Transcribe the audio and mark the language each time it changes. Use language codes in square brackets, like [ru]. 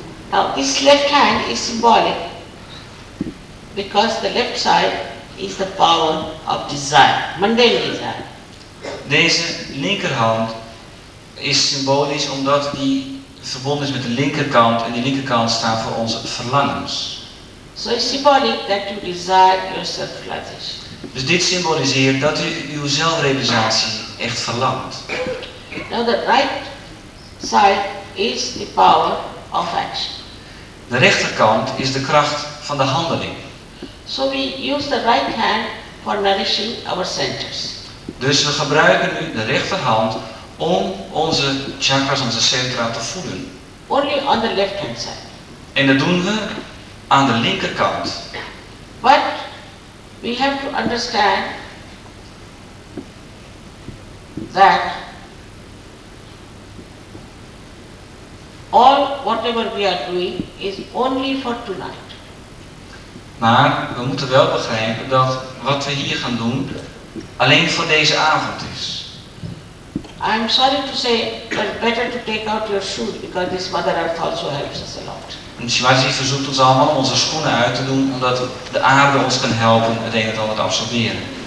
[en] Now this left hand is symbolic because the left side is the power of desire, mundane desire. [nl] Deze linkerhand is symbolisch omdat die verbonden is met de linkerkant en die linkerkant staat voor onze verlangens. [en] So it's symbolic that you desire yourself flourish. [nl] Dus dit symboliseert dat u uw zelfrealisatie echt verlangt. [en] Now the right side is the power of action. [nl] De rechterkant is de kracht van de handeling. [en] So we use the right hand for nourishing our centers. [nl] Dus we gebruiken nu de rechterhand om onze chakras, onze centra te voeden. [en] Only on the left hand side. [nl] En dat doen we aan de linkerkant. [en] But we have to understand that all whatever we are doing is only for tonight. [nl] Maar we moeten wel begrijpen dat wat we hier gaan doen alleen voor deze avond is. [en] I'm sorry to say, but better to take out your shoes because this Mother Earth also helps us a lot. [nl] En Shivaji verzoekt ons allemaal om onze schoenen uit te doen, omdat de aarde ons kan helpen het een en ander te absorberen.